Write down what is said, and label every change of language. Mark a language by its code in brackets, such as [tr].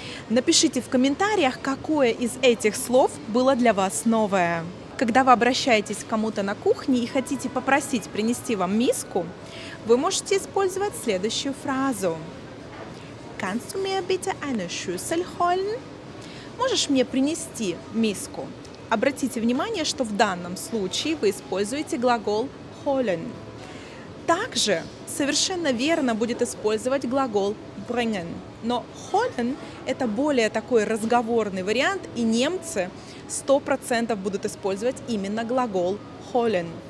[ru] Напишите в комментариях, какое из этих слов было для вас новое. Когда вы обращаетесь к кому-то на кухне и хотите попросить принести вам миску, вы можете использовать следующую фразу. [de] Kannst du mir bitte eine Schüssel holen? [ru] Можешь мне принести миску? Обратите внимание, что в данном случае вы используете глагол holen. Также совершенно верно будет использовать глагол bringen. Но holen – это более такой разговорный вариант, и немцы 100% будут использовать именно глагол holen.